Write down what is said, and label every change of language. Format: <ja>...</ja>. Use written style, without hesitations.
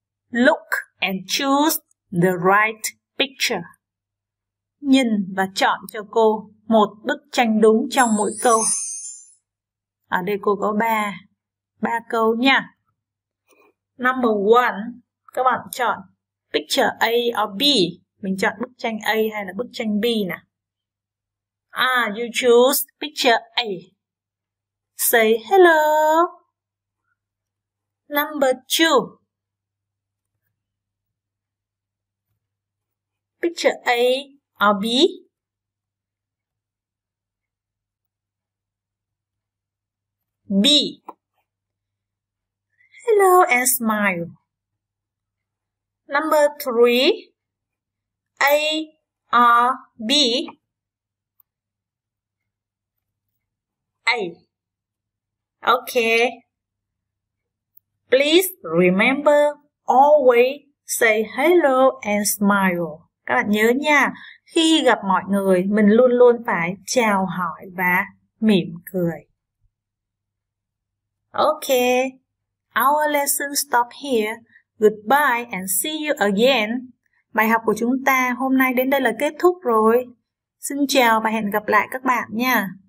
<en>Look and choose the right picture.</en> <vi>Nhìn và chọn cho cô một bức tranh đúng trong mỗi câu. Ở đây cô có ba câu nha.</vi> <en>Number one,</en> <vi>các bạn chọn</vi> <en>picture A or B.</en> <vi>Mình chọn bức tranh A hay là bức tranh B nè.</vi> <en>You choose picture A. Say hello. Number two. Picture A or B? B. Hello and smile. Number three. A or B? A. Okay. Please remember always say hello and smile.</en> <vi>Các bạn nhớ nha, khi gặp mọi người, mình luôn luôn phải chào hỏi và mỉm cười.</vi> <en>Okay, our lesson stop here. Goodbye and see you again.</en> <vi>Bài học của chúng ta hôm nay đến đây là kết thúc rồi. Xin chào và hẹn gặp lại các bạn nha.</vi>